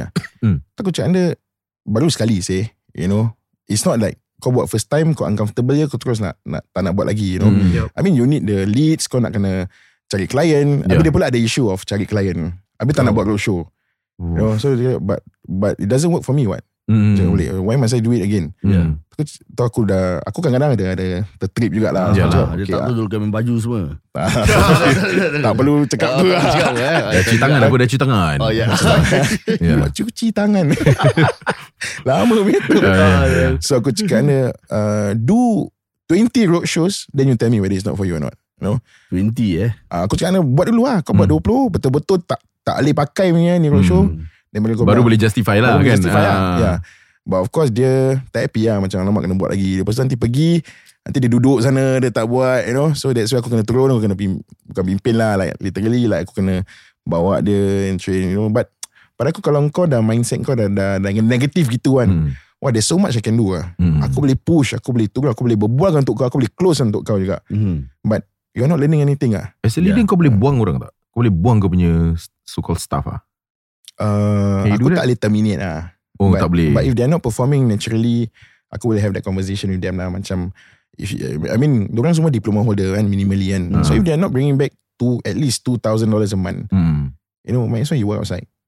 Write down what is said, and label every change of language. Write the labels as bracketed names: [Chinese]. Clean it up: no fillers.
[Malay] Aku cakap, anda baru sekali, say, you know. [English] It's not like [Malay] kau buat first time, kau uncomfortable je, kau terus nak tak nak buat lagi, you know. [English] I mean, you need the leads, [Malay] kau nak kena cari client. Habis dia pula ada issue of cari client, habis tak nak buat roadshow. [English] You know, so but it doesn't work for me, what? Why must I do it again? [Malay] Aku kadang-kadang ada tertrip jugalah. Dia tak betul gamin baju semua. Tak perlu cakap tu lah. Cuci tangan, aku dah cuci tangan. Oh ya. Yeah. Cuci tangan. Lama betul. So aku cakap dia, [English] do 20 road shows, then you tell me whether it's not for you or not. No? 20 [Malay] Aku cakap dia, buat dulu lah. Kau buat 20, betul-betul tak boleh pakai punya ni roadshow. Boleh justify lah, baru kan. [English] But of course [Malay] dia tak happy lah, macam lama kena buat lagi. Lepas tu nanti pergi, nanti dia duduk sana, dia tak buat, you know. [English] So that's why [Malay] aku kena turun, aku kena bukan pimpin lah, like literally, like aku kena bawa dia and train, you know. But pada aku, kalau kau dah mindset kau dah negative gitu kan, wah, [English] there's so much I can do [Malay] lah. Aku boleh push, aku boleh turun, aku boleh berbual untuk kau, aku boleh close untuk kau juga. [English] But you're not learning anything lah. [Malay] As a leader, kau boleh buang orang tak? Kau boleh buang kau punya so-called staff lah? Aku tak boleh terminate lah. Tak boleh. [English] But if they're not performing naturally, [Malay] aku boleh [English] have that conversation with them lah. [Malay] Macam, [English] I mean, [Malay] diorang semua diploma holder kan, minimally kan. [English] So if they're not bringing back at least $2,000 a month, you know, might as well you work outside.